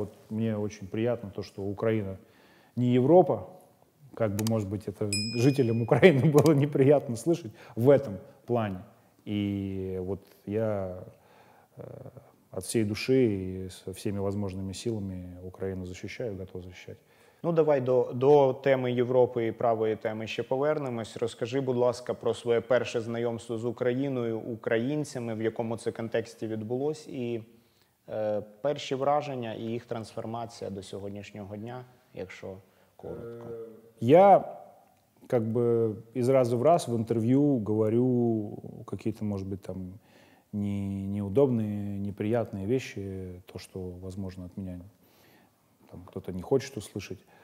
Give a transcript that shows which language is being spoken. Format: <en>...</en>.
<ru>Мне очень приятно то, что Украина не Европа, как бы, может быть, это жителям Украины было неприятно слышать в этом плане. И вот я от всей души и со всеми возможными силами Украину защищаю, готов защищать.</ru> <uk>Ну, давай до теми Європи і правої теми ще повернемось. Розкажи, будь ласка, про своє перше знайомство з Україною, українцями, в якому це контексті відбулось, і перші враження і їх трансформація до сьогоднішнього дня, якщо коротко.</uk> <ru>Я как бы из раза в раз в интервью говорю какие-то, может быть, там неудобные, неприятные вещи, то, что, возможно, от меня там, кто-то не хочет услышать.</ru>